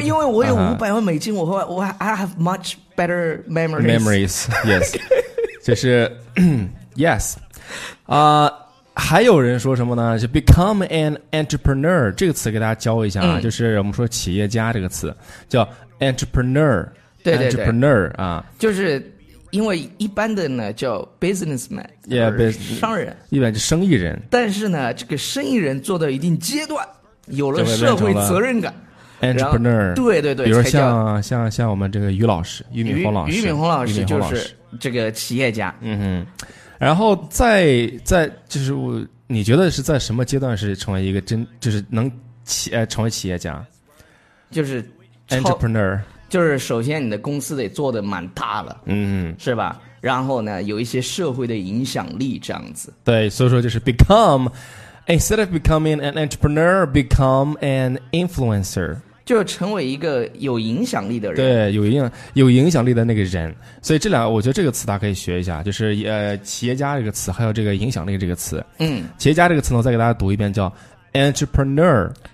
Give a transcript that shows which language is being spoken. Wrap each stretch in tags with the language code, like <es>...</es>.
<zh>因为我有500万美金、uh-huh、我</zh> <en>I have much better memories。 Memories yes。</en> <zh>就是</zh> <en>yes。</en> <zh>还有人说什么呢，就</zh> <en>become an entrepreneur，</en> <zh>这个词给大家教一下啊、就是我们说企业家这个词叫 entrepreneur。对对对，</zh> <en>entrepreneur 啊，</en> <zh>就是因为一般的呢叫 businessman， 也、商人，一般就生意人，但是呢这个生意人做到一定阶段有了社会责任感，</zh> <en>entrepreneur。</en> <zh>对对对，比如像我们这个于老师，俞敏洪老师，俞敏洪老师就是这个企业家。嗯哼。然后在就是你觉得是在什么阶段是成为一个真就是能成为企业家，就是</zh> <en>entrepreneur，</en> <zh>就是首先你的公司得做得蛮大了，嗯，是吧，然后呢有一些社会的影响力这样子。对，所以说就是</zh> <en>become instead of becoming an entrepreneur become an influencer，</en> <zh>就成为一个有影响力的人。对，有影响力的那个人。所以这两个我觉得这个词大家可以学一下，就是企业家这个词还有这个影响力这个词。嗯，企业家这个词呢我再给大家读一遍，叫 entrepreneur。</zh>